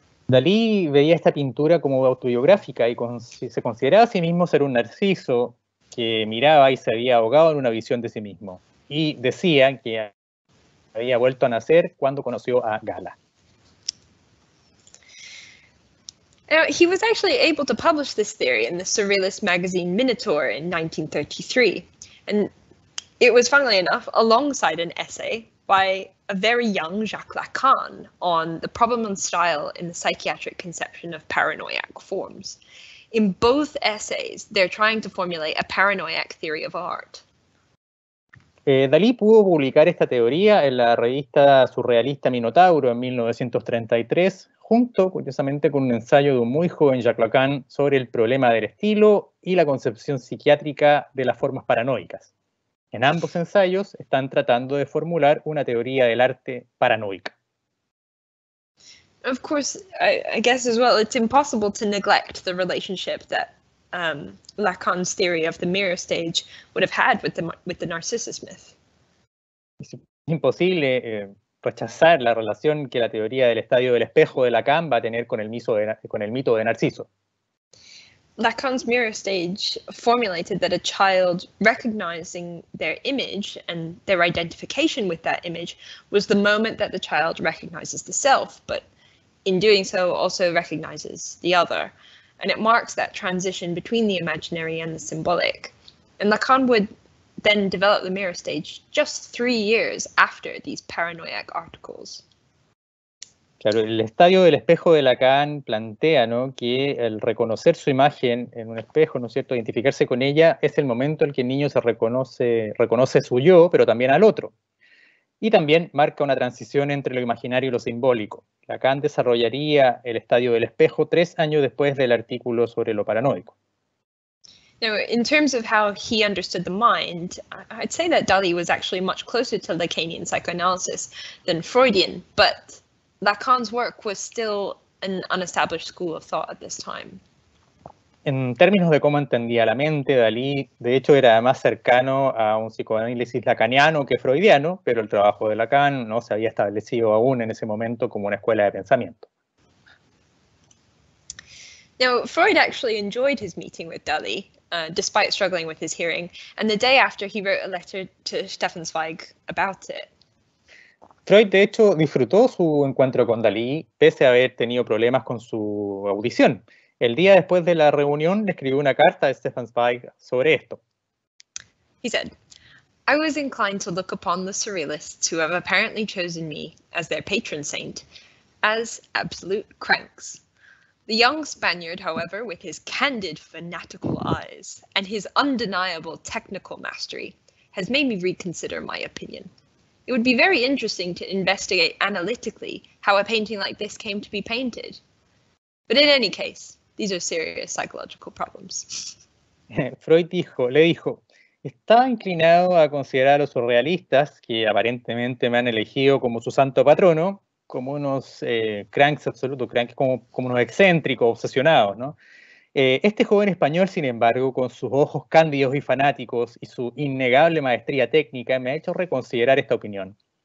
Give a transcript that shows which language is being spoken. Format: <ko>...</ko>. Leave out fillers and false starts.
<es>Dalí veía esta pintura como autobiográfica y se consideraba a sí mismo ser un narciso que miraba y se había ahogado en una visión de sí mismo. Y decía que había vuelto a nacer cuando conoció a Gala.</es> <en>Now, he was actually able to publish this theory in the surrealist magazine Minotaur in 1933. And it was, funnily enough, alongside an essay by a very young Jacques Lacan on the problem of style in the psychiatric conception of paranoiac forms. In both essays, they're trying to formulate a paranoiac theory of art.</en> <es>Dalí pudo publicar esta teoría en la revista surrealista Minotauro en 1933, junto, curiosamente, con un ensayo de un muy joven Jacques Lacan sobre el problema del estilo y la concepción psiquiátrica de las formas paranoicas. En ambos ensayos están tratando de formular una teoría del arte paranoica.</es> <en>Of course, I guess as well, it's impossible to neglect the relationship that Lacan's theory of the mirror stage would have had with the Narcissus myth.</en> <es>Es imposible rechazar la relación que la teoría del estadio del espejo de Lacan va a tener con el mito de Narciso.</es> <en>Lacan's mirror stage formulated that a child recognizing their image and their identification with that image was the moment that the child recognizes the self, but in doing so also recognizes the other. And it marks that transition between the imaginary and the symbolic. And Lacan would then develop the mirror stage just 3 years after these paranoiac articles.</en> <es>Claro, el estadio del espejo de Lacan plantea, ¿no?, que el reconocer su imagen en un espejo, ¿no es cierto?, identificarse con ella, es el momento en que el niño se reconoce su yo, pero también al otro. Y también marca una transición entre lo imaginario y lo simbólico. Lacan desarrollaría el estadio del espejo 3 años después del artículo sobre lo paranoico.</es> <en>Now, in terms of how he understood the mind, I'd say that Dalí was actually much closer to Lacanian psychoanalysis than Freudian, but Lacan's work was still an unestablished school of thought at this time.</en> <es>En términos de cómo entendía la mente, Dalí, de hecho, era más cercano a un psicoanálisis lacaniano que freudiano, pero el trabajo de Lacan no se había establecido aún en ese momento como una escuela de pensamiento.</es> <en>Now, Freud actually enjoyed his meeting with Dalí, despite struggling with his hearing, and the day after he wrote a letter to Stefan Zweig about it.</en> <es>Freud, de hecho, disfrutó su encuentro con Dalí, pese a haber tenido problemas con su audición. El día después de la reunión, le escribió una carta a Stefan Zweig sobre esto.</es> <en>He said, I was inclined to look upon the surrealists who have apparently chosen me as their patron saint as absolute cranks. The young Spaniard, however, with his candid fanatical eyes and his undeniable technical mastery, has made me reconsider my opinion. It would be very interesting to investigate analytically how a painting like this came to be painted. But in any case, these are serious psychological problems.</en> <es>Freud le dijo, estaba inclinado a considerar a los surrealistas, que aparentemente me han elegido como su santo patrono, como unos cranks absolutos, cranks como unos excéntricos, obsesionados, ¿no? Este joven español, sin embargo, con sus ojos cándidos y fanáticos y su innegable maestría técnica, me ha hecho reconsiderar esta opinión.</es>